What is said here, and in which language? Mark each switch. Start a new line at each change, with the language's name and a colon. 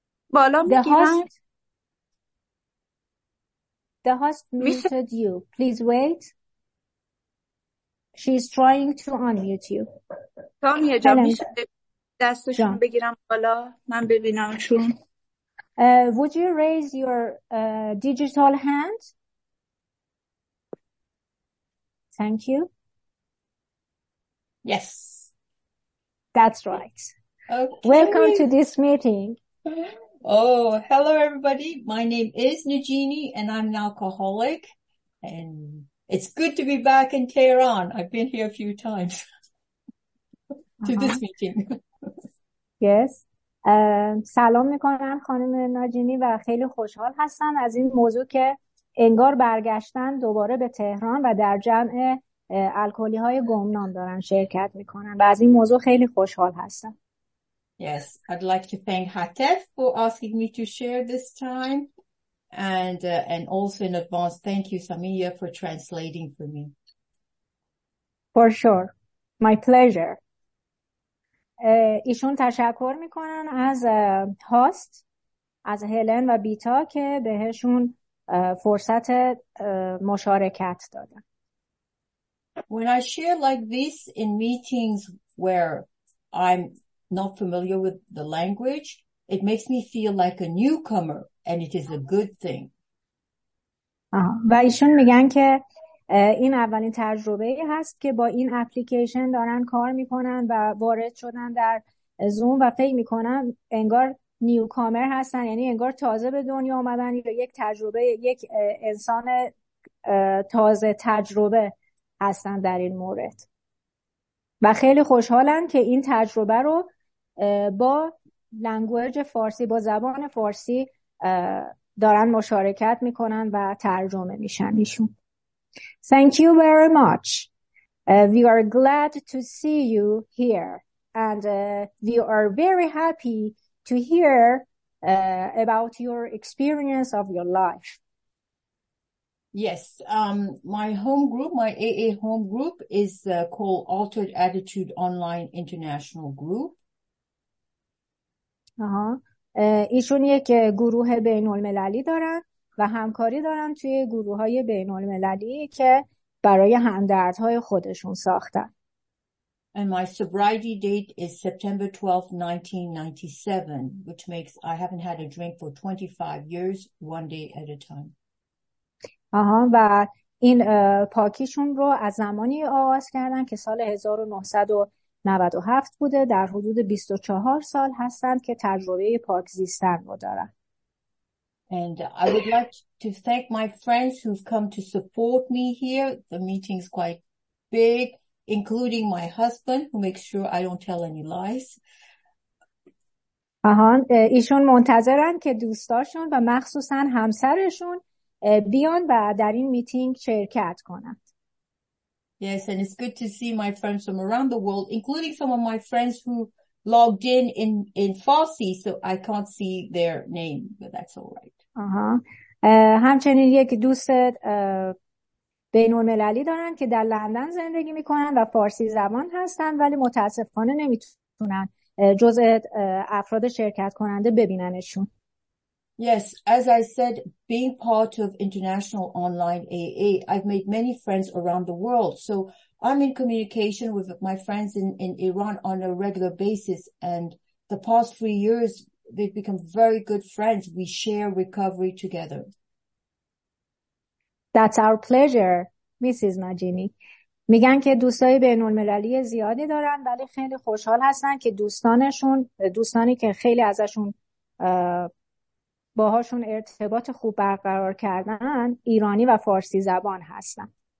Persian: بالا میگیرم.
English: The host muted you. Please wait. She's trying to unmute you.
Persian: سامیه جان میشه دستشون بگیرم بالا من ببینمشون.
English: Would you raise your digital hand? Thank you. Yes. That's right. Okay. Welcome to this meeting. Oh, hello everybody. My name is Najini and I'm an alcoholic and it's good to be back in Tehran. I've been here a few times. Yes.
Persian: سلام میکنم خانم ناجینی و خیلی خوشحال هستم از این موضوع که انگار برگشتن دوباره به تهران و در جمع الکلی های گمنام دارن شرکت میکنن و از این موضوع خیلی خوشحال هستم.
English: Yes, I'd like to thank Hatef for asking me to share this time and also in advance thank you Samia for translating for me. For sure. My pleasure.
Persian: ایشون تشکر میکنن از هاست، از هلن و بیتا که بهشون فرصت مشارکت دادن.
English: When I share like this in meetings where I'm not familiar with the language, it makes me feel like a newcomer and it is a good thing.
Persian: و ایشون میگن که این اولین تجربه هست که با این اپلیکیشن دارن کار میکنن و وارد شدن در زوم و فکر میکنن انگار نیوکامر هستن، یعنی انگار تازه به دنیا آمدن یا یک تجربه، یک انسان تازه تجربه هستن در این مورد و خیلی خوشحالن که این تجربه رو با لنگویج فارسی، با زبان فارسی دارن مشارکت میکنن و ترجمه میشن ایشون.
English: Thank you very much. We are glad to see you here. And we are very happy to hear about your experience of your life. Yes. My home group, my AA home group is called Altered Attitude Online International Group.
Persian: ایشون یک گروه بین المللی دارن و همکاری دارن توی گروه های بین المللی که برای همدردهای خودشون ساختن.
English: And my sobriety date is September 12, 1997, which makes I haven't had a drink for 25 years, one day at a time.
Persian: و این پاکیشون رو از زمانی آغاز کردن که سال 1997 بوده، در حدود 24 سال هستند که تجربه پاک زیستن رو دارن.
English: And I would like to thank my friends who've come to support me here. The meeting's quite big, including my husband, who makes sure I don't tell any lies.
Persian: ایشون منتظرن که دوستاشون و مخصوصاً همسرشون بیان و در این میتینگ شرکت کنند.
English: Yes, and it's good to see my friends from around the world, including some of my friends who logged in Farsi, so I can't see their name, but that's all right.
Persian: همچنین یک دوست بین‌المللی دارن که در لندن زندگی میکنن و فارسی زبان هستن، ولی متاسفانه نمیتونن جزء افراد شرکت کننده ببیننشون.
English: Yes, as I said, being part of International Online AA, I've made many friends around the world. So I'm in communication with my friends in Iran on a regular basis. And the past 3 years, they've become very good friends. We share recovery together. That's our pleasure, Mrs. Majini.
Persian: میگن که دوستای بین‌المللی زیادی دارن، ولی خیلی خوشحال هستن که دوستانی که خیلی ازشون باهاشون ارتباط خوب برقرار کردن ایرانی و فارسی زبان هستن.